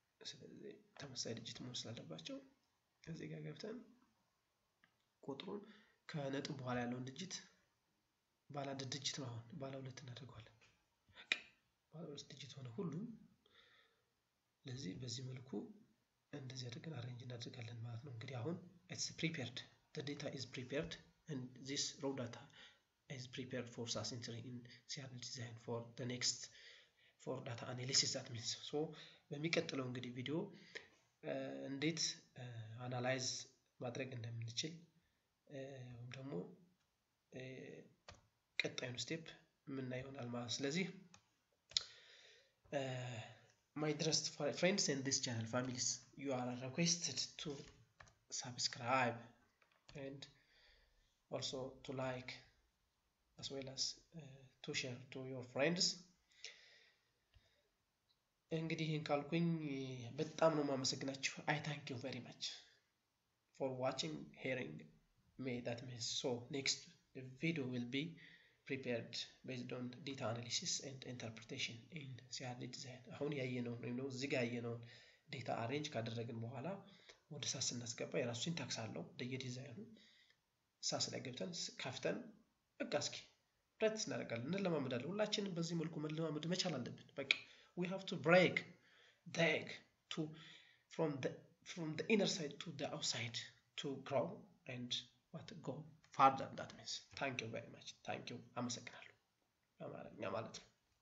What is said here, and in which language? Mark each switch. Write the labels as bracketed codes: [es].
[am] ስለዚህ ተመሳሳይ ዲጂት መሆን ስላለባቸው እዚህ ጋር ገብተን ቁጥሩን ከነጥብ በኋላ ያለውን ዲጂት ባለ አንድ ዲጂት ነው ባለ ሁለት እናደርጋለን። ባለ ሁለት ዲጂት ሆነ ሁሉ ለዚህ በዚህ መልኩ እንደዚህ አድርገን አሬንጅ እናደርጋለን ማለት ነው። እንግዲህ አሁን [en] it's prepared, the data is prepared and this raw data is prepared for SAS entry in CRD design for the next for data analysis. That means so [am] በሚቀጥለው እንግዲህ ቪዲዮ እንዴት አናላይዝ ማድረግ እንደምንችል ወይም ደግሞ ቀጣዩን ስቴፕ ምን አይሆናል ማለት ስለዚህ [en] my dearest friends in this channel families you are requested to subscribe and also to like as well as to share to your friends. [am] እንግዲህ ይህን ካልኩኝ በጣም ነው ማመሰግናችሁ. [en] I thank you very much for watching, hearing me. That means so next video will be prepared based on data analysis and interpretation in CRD design. [am] አሁን ያየነው ነው ነው እዚህ ጋር ያየነው data arrange ካደረግን በኋላ ወደ SAS እናስገባ የራሱ syntax አለው ለየ ዲዛይኑ. SAS ላይ ገብተን ካፍተን በቃ እስኪ practice እናደርጋለን እንለማመዳለን. ሁላችንም በዚህ መልኩ መለማመድ መቻል አለብን. [en] በቃ we have to break the egg to from the inner side to the outside to grow and what go farther. That means thank you very much. Thank you. [am] Amasakaralu amara nya malatu.